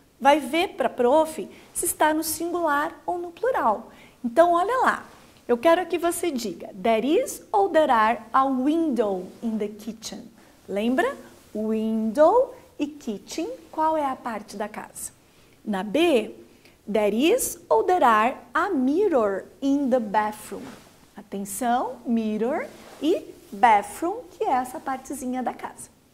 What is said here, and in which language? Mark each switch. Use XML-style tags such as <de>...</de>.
<pt>Vai ver para a prof se está no singular ou no plural. Então, olha lá. Eu quero que você diga,</pt> <en>there is or there are a window in the kitchen.</en> <pt>Lembra? Window e kitchen, qual é a parte da casa? Na B,</pt> <en>there is or there are a mirror in the bathroom.</en> <pt>Atenção, mirror e bathroom, que é essa partezinha da casa.</pt>